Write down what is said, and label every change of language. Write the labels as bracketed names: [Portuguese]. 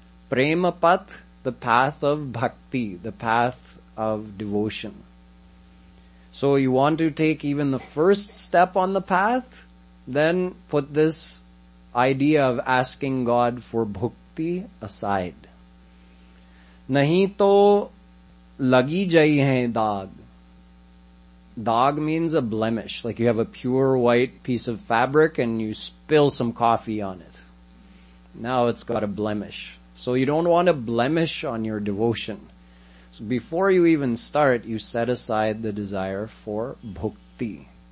[English] Prema pat, the path of bhakti, the path of devotion. So you want to take even the first step on the path, then put this idea of asking God for bhukti aside. [Hindi] नहीं तो लगी जई है दाग. [English] Dag means a blemish, like you have a pure white piece of fabric and you spill some coffee on it. Now it's got a blemish. So you don't want a blemish on your devotion. So before you even start, you set aside the desire for bhakti.